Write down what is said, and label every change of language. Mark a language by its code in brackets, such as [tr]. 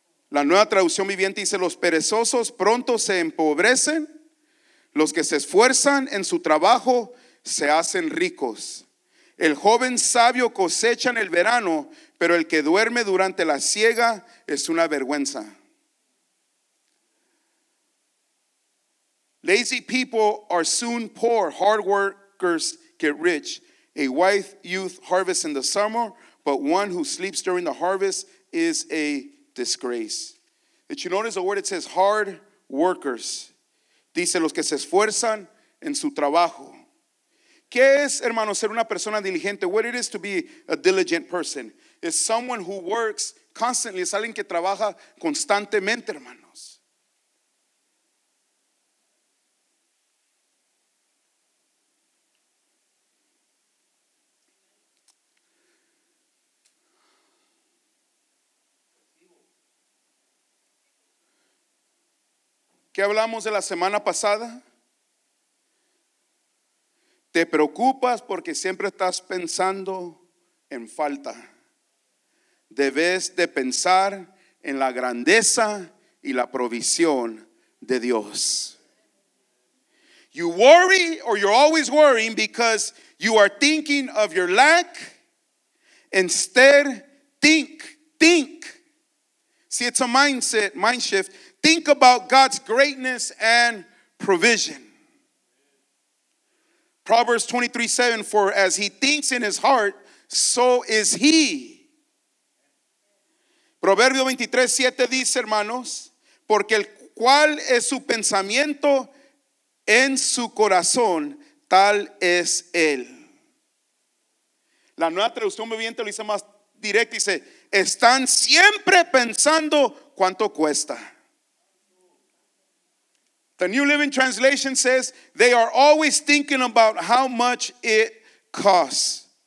[es] La Nueva Traducción Viviente dice, los perezosos pronto se empobrecen, los que se esfuerzan en su trabajo se hacen ricos. El joven sabio cosecha en el verano, pero el que duerme durante la siega es una vergüenza. [en] Lazy people are soon poor. Hard workers get rich. A wise youth harvests in the summer, but one who sleeps during the harvest is a disgrace. Did you notice the word? It says hard workers. [es] Dice, los que se esfuerzan en su trabajo. ¿Qué es, hermano, ser una persona diligente? [en] What it is to be a diligent person? It's someone who works constantly. [es] Es alguien que trabaja constantemente, hermanos. ¿Qué hablamos de la semana pasada? Te preocupas porque siempre estás pensando en falta. Debes de pensar en la grandeza y la provisión de Dios. [en] You worry, or you're always worrying, because you are thinking of your lack. Instead, think. See, it's a mindset, mind shift. Think about God's greatness and provision. Proverbs 23:7, for as he thinks in his heart, so is he. [es] Proverbio 23:7 dice, hermanos, porque el cual es su pensamiento en su corazón, tal es él. La Nueva Traducción Viviente lo dice más directo, dice, están siempre pensando cuánto cuesta. [en] The New Living Translation says, they are always thinking about how much it costs.